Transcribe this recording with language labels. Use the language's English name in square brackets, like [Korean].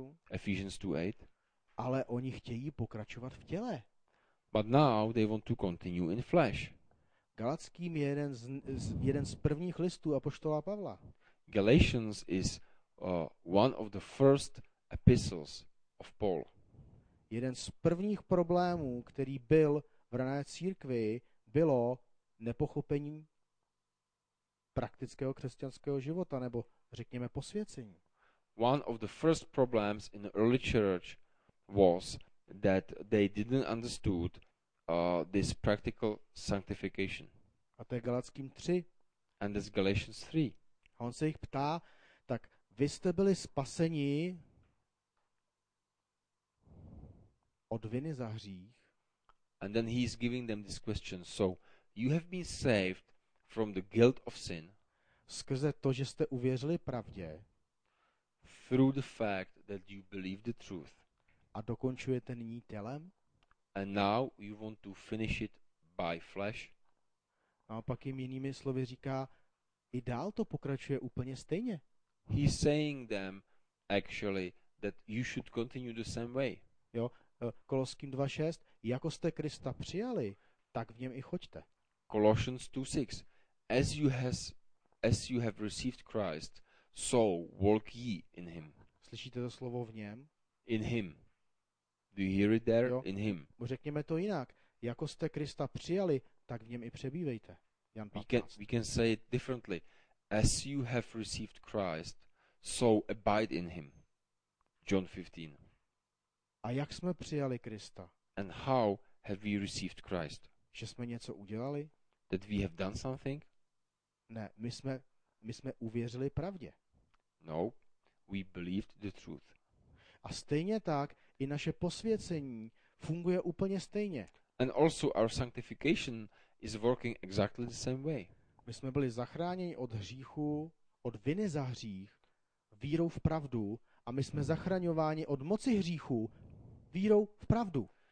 [English] Ephesians 2:8. [Czech] Ale oni chtějí pokračovat v těle. [English] But now they want to continue in flesh. [Czech] Galackým je jeden z prvních listů apoštola Pavla. [English] Galatians is one of the first epistles of Paul. [Czech] Jeden z prvních problémů, který byl v rané církvi, bylo nepochopení praktického křesťanského života nebo řekněme posvěcení. [English] One of the first problems in the early church was that they didn't understood this practical sanctification. [Czech] A to je Galackým 3. [English] And this Galatians 3. [Czech] A on se jich ptá, tak vy jste byli spaseni od viny za hřích. [English] And then he's giving them this question. So you have been saved from the guilt of sin. [Czech] Skrze to, že jste uvěřili pravdě. [English] Through the fact that you believe the truth. [Czech] A dokončujete nyní tělem? [English] And now you want to finish it by flesh. [Czech] A pak jim jinými slovy říká, i dál to pokračuje úplně stejně. [English] He's saying them actually that you should continue the same way. [Czech] Jo, Koloským 2:6, jako jste Krista přijali, tak v něm i choďte. [English] Colossians 2:6, as you have received Christ, so walk ye in him. [Czech] Slyšíte to slovo v něm? [English] In him. Do you hear it there? Jo. In him. [Czech] Řekněme to jinak, jako jste Krista přijali, tak v něm i přebývejte. Jan 15. [English] We can say it differently. As you have received Christ, so abide in him. John 15. [Czech] A jak jsme přijali Krista? [English] And how have we received Christ? [Czech] Že jsme něco udělali? [English] That we have done something? [Czech] Ne, my jsme uvěřili pravdě. [English] No, we believed the truth. [Czech] A stejně tak i naše posvěcení funguje úplně stejně. [English] And also our sanctification is working exactly the same way. [Czech] My jsme byli zachráněni od hříchu, od viny za hřích, vírou v pravdu, a my jsme zachraňováni od moci hříchu vírou v pravdu.